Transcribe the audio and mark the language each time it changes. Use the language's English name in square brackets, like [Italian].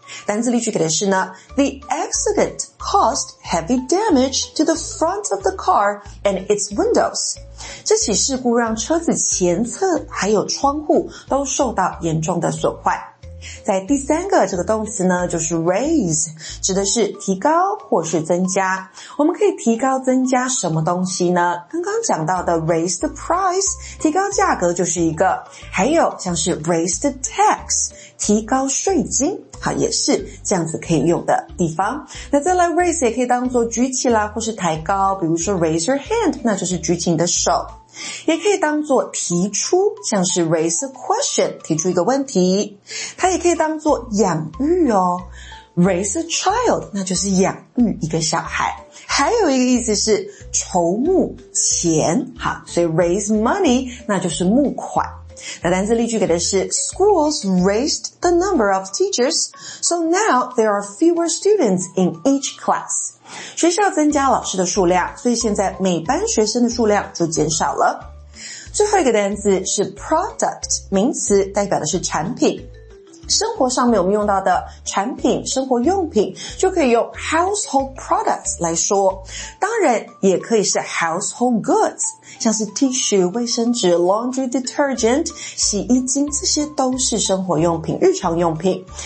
[Chinese] 单字例句给的是呢 [English] The accident caused heavy damage to the front of the car and its windows. [Chinese] 这起事故让车子前侧还有窗户都受到严重的损坏。在第三个这个动词呢就是 raise, 指的是提高或是增加。我们可以提高增加什么东西呢？刚刚讲到的 [English] raise the price, [Chinese] 提高价格就是一个。还有像是 [English] raise the tax, [Chinese] 提高税金。好，也是这样子可以用的地方。那再来 raise 也可以当作举起啦或是抬高，比如说 [English] raise your hand, [Chinese] 那就是举起你的手。也可以当作提出，像是 [English] raise a question, [Chinese] 提出一个问题。它也可以当作养育哦。 [English] raise a child, [Chinese] 那就是养育一个小孩。还有一个意思是筹募钱，好，所以 [English] raise money, [Chinese] 那就是募款。那单字例句给的是 [English] schools raised the number of teachers, so now there are fewer students in each class. [Chinese] 学校增加老师的数量，所以现在每班学生的数量就减少了。最后一个单字是 product, 名词代表的是产品。生活上面我们用到的产品、生活用品就可以用 household products 来说，当然也可以是 household goods, 像是 tissue, 卫生纸、 laundry detergent, 洗衣精，这些都是生活用品、日常用品。